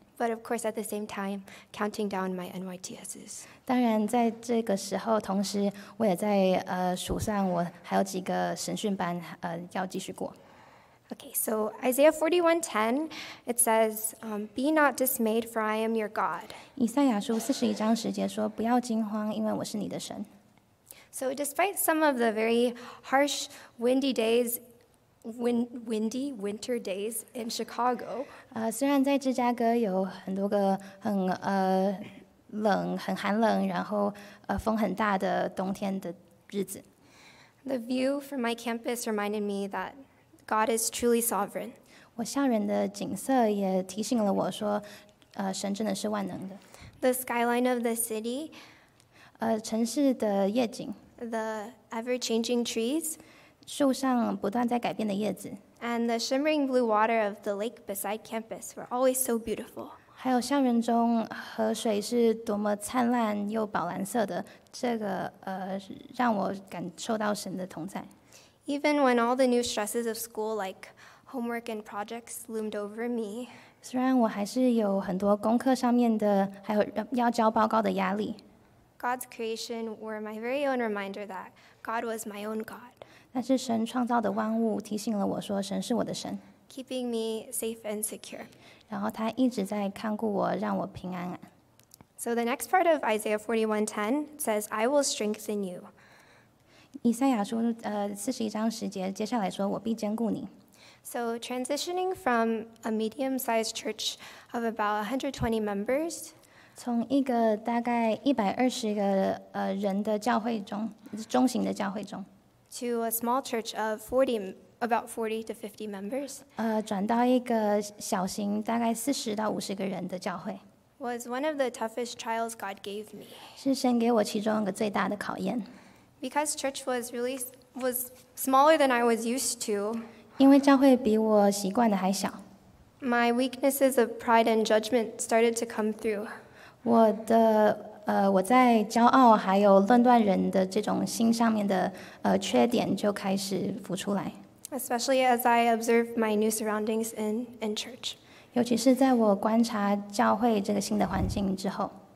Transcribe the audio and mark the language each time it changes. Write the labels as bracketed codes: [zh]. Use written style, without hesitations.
[en] But of course, at the same time, counting down my NYTSs. [zh] 当然，在这个时候，同时我也在数算我还有几个神训班要继续过。 [en] Okay, so Isaiah 41:10, it says, "Be not dismayed, for I am your God." [zh] 以赛亚书四十一章十节说，不要惊慌，因为我是你的神。 [en] So despite some of the very harsh, windy days, windy winter days in Chicago, [zh] 虽然在芝加哥有很多个很冷、很寒冷，然后风很大的冬天的日子。 [en] The view from my campus reminded me that God is truly sovereign. [zh] 我校园的景色也提醒了我说，神真的是万能的。 [en] The skyline of the city, [zh] 城市的夜景。 [en] The ever-changing trees, [zh] 树上不断在改变的叶子。 [en] And the shimmering blue water of the lake beside campus were always so beautiful. [zh] 还有校园中河水是多么灿烂又宝蓝色的，这个让我感受到神的同在。 [en] Even when all the new stresses of school, like homework and projects, loomed over me, [zh] 虽然我还是有很多功课上面的，还有要交报告的压力。 [en] God's creation were my very own reminder that God was my own God. [zh] 但是神创造的万物提醒了我说，神是我的神。 [en] Keeping me safe and secure. [zh] 然后他一直在看顾我，让我平安。 [en] So the next part of Isaiah 41:10 says, "I will strengthen you." [zh] 以赛亚书四十一章十节，接下来说，我必坚固你。 [en] So transitioning from a medium-sized church of about 120 members. [zh] 从一个大概120个人的教会中，中型的教会中 [en] ，to a small church of about 40 to 50 members， [zh] 转到一个小型大概40到50个人的教会 [en] ，was one of the toughest trials God gave me， [zh] 是神给我其中一个最大的考验 [en] ，because church was smaller than I was used to， [zh] 因为教会比我习惯的还小 [en] ，my weaknesses of pride and judgment started to come through。 [zh] 我的我在骄傲还有论断人的这种心上面的缺点就开始浮出来。 [en] Especially as I observe my new surroundings in church. [zh] 尤其是在我观察教会这个新的环境之后。